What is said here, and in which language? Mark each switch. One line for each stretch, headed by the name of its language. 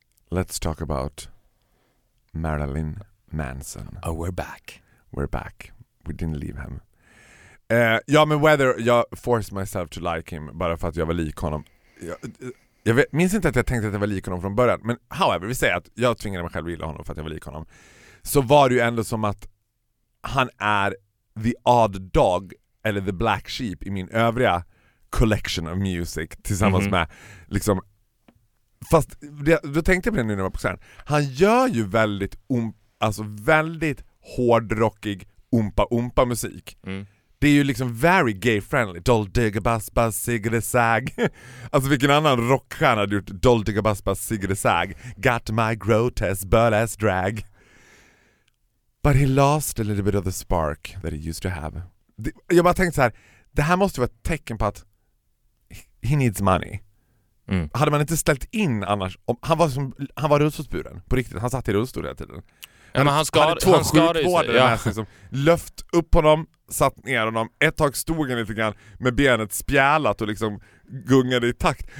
English: Let's talk about Marilyn Manson. Oh, we're back. We're back. We didn't leave him.
Swedish: Ja, men Weather, jag
English: forced myself to like him
Swedish: bara för att jag var lik honom. Jag vet, minns inte att jag tänkte att jag var lik honom från början, men however, vi säger att jag tvingade mig själv att gilla honom för att jag var lik honom. Så var det ju ändå som att han är
English: the odd dog
Swedish: eller
English: the black sheep
Swedish: i min övriga
English: collection of music
Swedish: tillsammans med liksom, fast det, då tänkte jag på det nu när jag var på scenen. Han gör ju väldigt alltså väldigt hårdrockig umpa umpa musik. Det är ju liksom
English: very gay friendly.
Swedish: Doll digga bass bass sigre sag. Alltså vilken annan rockstjärna hade gjort doll digga bass bass sigre sag.
English: Got my grotesque burlesque drag. But he lost a little bit of the spark that he used to have.
Swedish: Jag bara tänkte så här, det här måste vara ett tecken på att
English: he needs money. Mm.
Swedish: Hade man inte ställt in annars, om, han var rullstolsburen på riktigt, han satt i rullstol hela tiden. Ja, men han skadade ju sig. Löft upp på honom, satt ner honom, ett tag stod han lite grann med benet spjälat och liksom gungade i takt.